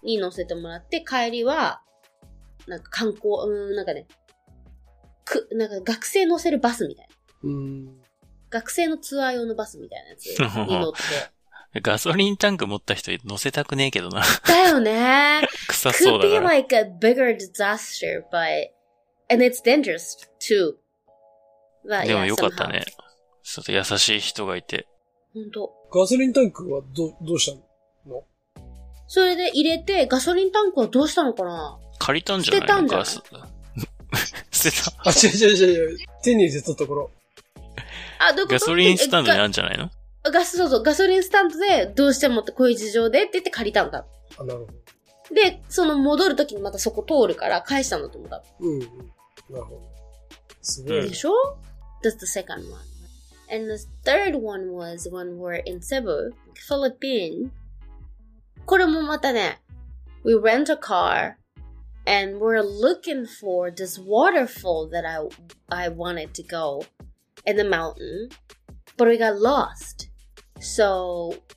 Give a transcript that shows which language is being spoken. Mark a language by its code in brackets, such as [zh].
[ja] に乗せてもらって、帰りは、なんか観光、なんかね、なんか学生乗せるバスみたいな。学生のツアー用のバスみたいなやつに乗って。ガソリンタンク持った人乗せたくねえけどな。だよね。臭そうだな。 [en] Could be like a bigger disaster, but, and it's dangerous too. [ja] But, でもよかったね。ちょっと優しい人がいて。ほんと。ガソリンタンクはどうしたの? それで入れて、ガソリンタンクはどうしたのかな? 借りたんじゃないの?ガス。捨てた。あ、違う。手に入れたところ。あ、どこガソリンスタンドにあるんじゃないの? ガソリンスタンドでどうしてもってこういう事情でって言って借りたんだ。あ、なるほど。で、その戻るときにまたそこ通るから返したんだと思った。うん。なるほど。すごい。でしょ [en] ?That's the second one. And the third one was when we're in Cebu, Philippines. [ja] これもまたね、 [en] we rent a car. And we're looking for this waterfall that I wanted to go in the mountain, but we got lost. So